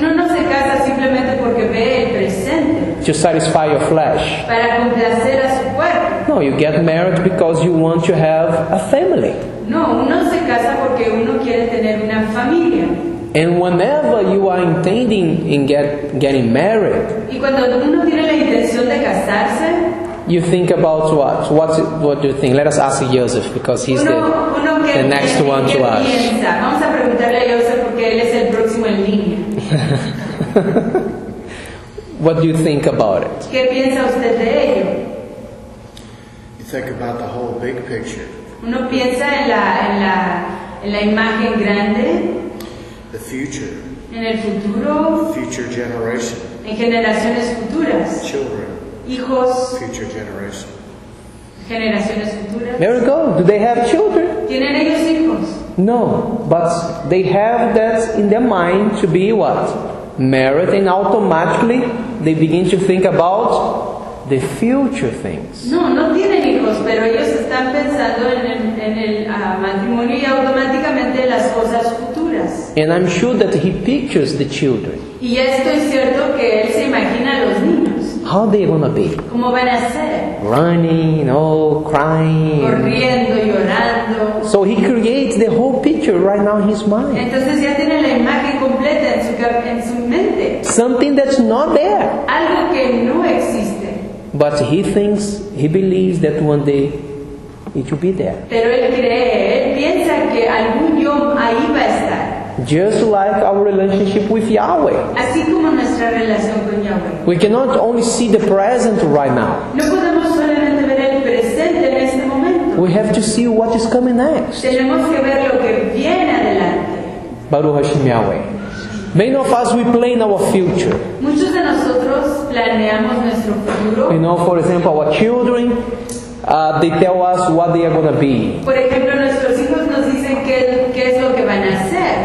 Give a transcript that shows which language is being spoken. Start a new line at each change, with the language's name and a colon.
Spanish: Uno no se casa simplemente porque ve el presente.
English: To satisfy your flesh.
Spanish: Para complacer a su cuerpo.
English: No, you get married because you want to have a family.
Spanish: No, uno se casa porque uno quiere tener una familia.
English: And whenever you are intending in getting married,
Spanish: y cuando uno tiene la intención de casarse,
English: you think about what? What do you think? Let us ask Joseph, because he's the next one to ask.
Spanish: Vamos a preguntarle a Joseph porque él es el próximo en línea.
English: What do you think about it?
Spanish: ¿Qué piensa usted de ello?
English: You think about the whole big picture.
Spanish: Uno piensa en la imagen grande.
English: The future.
Spanish: En el futuro.
English: Future generation.
Spanish: En generaciones futuras.
English: Children.
Spanish: Hijos.
English: Future generation.
Spanish: Generaciones futuras.
English: There we go. Do they have children?
Spanish: ¿Tienen ellos hijos?
English: No, but they have that in their mind to be what? Married, and automatically they begin to think about the future things.
Spanish: No, no tienen hijos, pero ellos están pensando matrimonio y automáticamente las cosas futuras.
English: And I'm sure that he pictures the children.
Spanish: Y esto es cierto que él se imagina a los niños.
English: How are they going to be?
Spanish: ¿Cómo van a ser?
English: Running, oh, crying.
Spanish: Corriendo, llorando.
English: So he creates the whole picture right now in his mind.
Spanish: Entonces ya tiene la imagen completa en su mente.
English: Something that's not there.
Spanish: Algo que no existe.
English: But he thinks, he believes that one day it will be there.
Spanish: Pero él cree, él piensa que algún día ahí va a estar.
English: Just like our relationship with Yahweh.
Spanish: Así como nuestra relación con Yahweh.
English: We cannot only see the present right now.
Spanish: No podemos solamente ver el presente en este momento.
English: We have to see what is coming next.
Spanish: Tenemos que ver lo que viene adelante.
Hebrew: Baruch Hashem Yahweh.
English: Many of us, we plan our future.
Spanish: Muchos de nosotros planeamos nuestro futuro.
English: You know, for example, our children, they tell us what they are going to be.
Spanish: Por ejemplo, nuestros hijos nos dicen qué es lo que van a hacer.